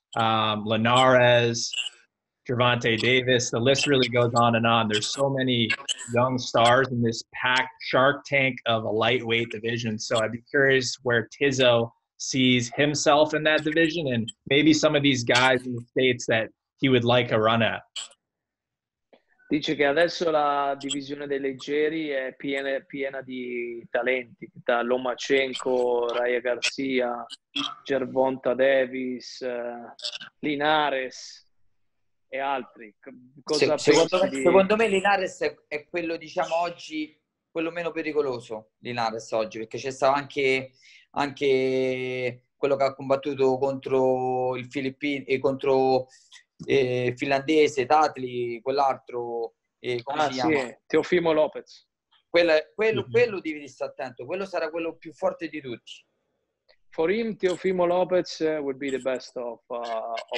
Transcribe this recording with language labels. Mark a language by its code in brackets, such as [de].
[en] Linares, Gervonta Davis, the list really goes on and on. There's so many young stars in this packed shark tank of a lightweight division. So I'd be curious where Tizzo sees himself in that division and maybe some of these guys in the States that he would like a run at. [it] Dice che adesso la divisione dei leggeri è piena di talenti, da Lomachenko, Raya Garcia, Gervonta Davis, Linares e altri. Secondo me Linares è quello, diciamo, oggi quello meno pericoloso, Linares oggi, perché c'è stato anche quello che ha combattuto contro il Filippino e contro finlandese, Tatli, quell'altro, Teofimo Lopez. Quello devi stare attento, quello sarà quello più forte di tutti. [en] For him, Teofimo Lopez would be the best of all.